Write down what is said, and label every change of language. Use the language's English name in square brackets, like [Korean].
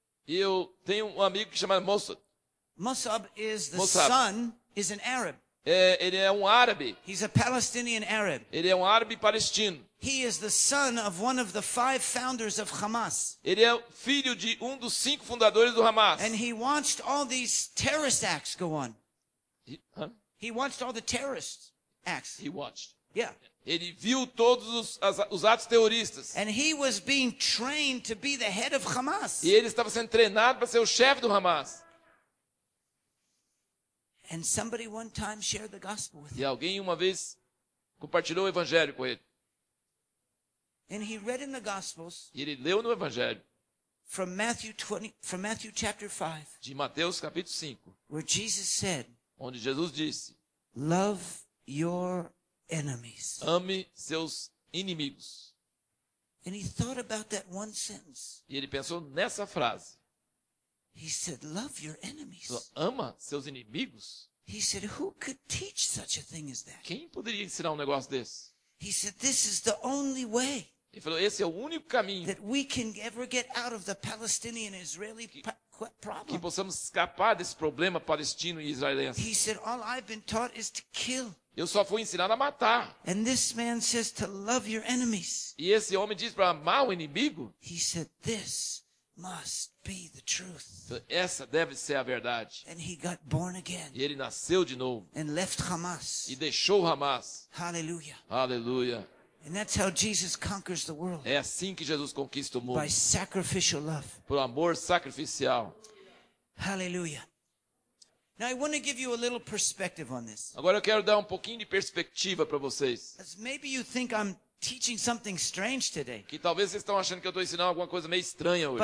[Portuguese] E eu tenho um amigo que se chama Musab. [English] Musab is the Musab. Son, is an Arab. [Portuguese] É, ele é um árabe. [English] He's a Palestinian Arab. [Portuguese] Ele é um árabe palestino. [English] He is the son of one of the five founders of Hamas. [Portuguese] Ele é filho de um dos cinco fundadores do Hamas. [English] And he watched all these terrorist acts go on. He watched all the terrorist acts. He watched. Yeah. [Portuguese] Ele viu todos os atos terroristas. [English] And he was being trained to be the head of Hamas. [Portuguese] E ele estava sendo treinado para ser o chefe do Hamas. [English] And somebody one time shared the gospel with [Portuguese] him. E alguém uma vez compartilhou o evangelho com ele. [English] And he read in the Gospels, [Portuguese] e ele leu no evangelho. [English] From Matthew 20, from Matthew chapter 5, [Portuguese] de Mateus capítulo 5. [English] Where Jesus said, [Portuguese] onde Jesus disse: [English] love your enemies. [Portuguese] Ame seus inimigos. [English] And he thought about that one sentence. [Portuguese] E ele pensou nessa frase. [English] He said, love your enemies. [Portuguese] Ama seus inimigos. [English] He said, who could teach such a thing as that? [Portuguese] Quem poderia ensinar um negócio desse? [English] He said, this is the only way. [Portuguese] Ele falou, esse é o único caminho. [English] That we can ever get out of the Palestinian Israeli problem. [Portuguese] Que possamos escapar desse problema palestino e israelense. [English] He said, all I've been taught is to kill. [Portuguese] Eu só fui ensinado a matar. [English] And this man says to love your enemies. [Portuguese] E esse homem diz para amar o inimigo. [English] He said, this must be the truth. [Portuguese] Essa deve ser a verdade. [English] And he got born again. [Portuguese] E ele nasceu de novo. [English] And left Hamas. [Portuguese] E deixou Hamas. [English] Hallelujah. Hallelujah. And that's how Jesus conquers the world. [Portuguese] É assim que Jesus conquista o mundo. [English] By sacrificial love. [Portuguese] Por amor sacrificial. [English] Hallelujah. Now I want to give you a little perspective on this. [Portuguese] Agora eu quero dar um pouquinho de perspectiva para vocês. [English] As maybe you think I'm teaching something strange today. [Portuguese] Que talvez vocês estão achando que eu estou ensinando alguma coisa meio estranha hoje.